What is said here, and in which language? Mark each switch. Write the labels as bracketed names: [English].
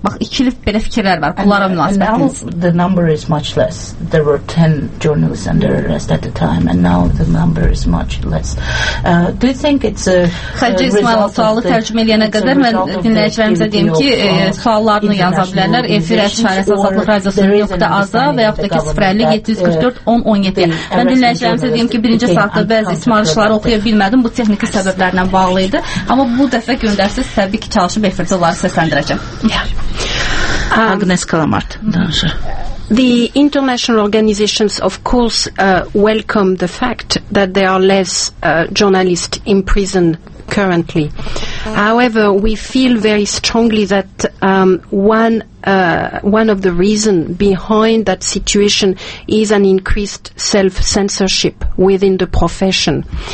[Azerbaijani] Bax, ikili belə fikirlər var. Bunlara münasibətiniz. [English] The number is much less. There were 10 journalists under arrest at the time and now the number is much less. Do you think it's a [Azerbaijani] Xəlcə İsmailov sualı tərcümə eləyənə qədər mən dinləyicilərimizə deyim ki, suallarını yaza bilərlər. Efir Əşfərəs Azadlıq Radiosu nöqtə aza və yaxud da ki 050-744-1017. Mən dinləyicilərimizə deyim ki, birinci saatda bəzi ismarışları oxuya bilmədim. Bu texniki səbəblərlə bağlı idi. Amma bu dəfə göndərsiz, təbii ki, çalışıb efirdə onları səsləndirəcəm. Agnes Kalamart danışır. [English] The international organizations, of course, welcome the fact that there are less journalists in prison currently. However, we feel very strongly that one one of the reason behind that situation is an increased self-censorship within the profession.